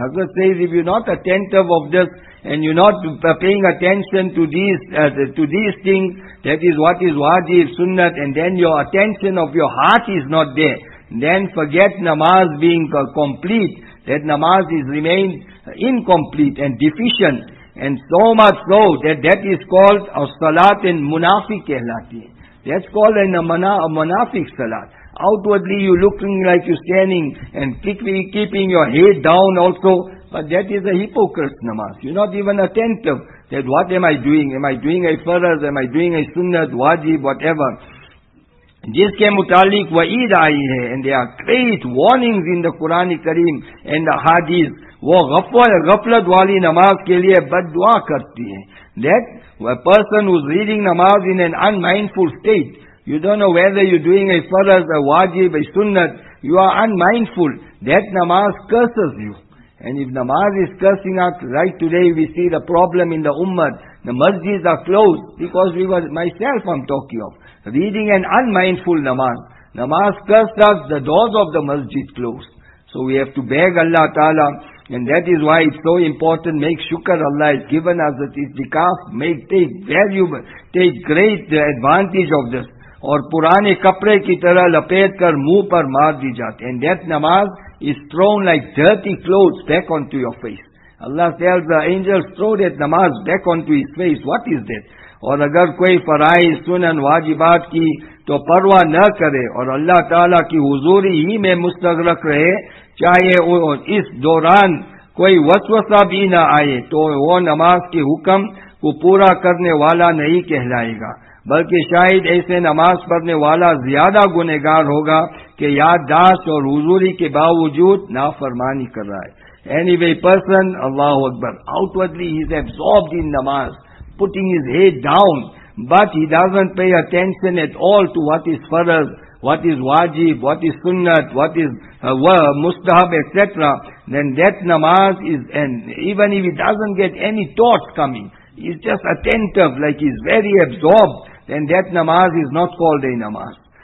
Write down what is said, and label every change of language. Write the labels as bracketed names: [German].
[English] Hazrat says, if you're not attentive of this, and you're not paying attention to these things, that is what is wajib, sunnat, and then your attention of your heart is not there, then forget namaz being complete, that namaz is remained incomplete and deficient, and so much so that is called a salat in munafiq kehlati. That's called a munafiq salat. Outwardly you looking like you're standing and keeping your head down also, but that is a hypocrite namaz. You're not even attentive that what am I doing? Am I doing a faraz? Am I doing a sunnat, wajib, whatever? [Urdu] جس کے متعلق وعید آئی ہے, [English] and there are great warnings in the Quran Kareem and the Hadith, [Urdu] وہ غفلت والی نماز کے لئے بدعا کرتی ہے. [English] That a person who's reading namaz in an unmindful state, you don't know whether you're doing a farz, a wajib, a sunnat, you are unmindful, that namaz curses you. And if namaz is cursing us, right today we see the problem in the ummah, the masjids are closed, because myself I'm talking of, reading an unmindful namaz. Namaz cursed us, the doors of the masjid closed. So we have to beg Allah Ta'ala, and that is why it's so important, make shukr Allah has given us the itikaf, take great advantage of this. [Urdu] Aur purane kapre ki tarah lapet kar muh par maar di jate, [English] and that namaz is thrown like dirty clothes back onto your face. Allah tells the angels, throw that namaz back onto his face. What is that? [Urdu] اور اگر کوئی فرائض سنن واجبات کی تو پرواہ نہ کرے اور اللہ تعالیٰ کی حضوری ہی میں مستغرق رہے, چاہے اس دوران کوئی وسوسہ بھی نہ آئے, تو وہ نماز کے حکم کو پورا کرنے والا نہیں کہلائے گا, بلکہ شاید ایسے نماز پڑھنے والا زیادہ گنہگار ہوگا کہ یادداشت اور حضوری کے باوجود نافرمانی کر رہا ہے. [English] Anyway, person, [Urdu] Allah Akbar, [English] outwardly he is absorbed in نماز, putting his head down, but he doesn't pay attention at all to what is farz, what is wajib, what is sunnat, what is mustahab, etc. Then that namaz is, and even if he doesn't get any thoughts coming, he's just attentive, like he's very absorbed, then that namaz is not called a namaz.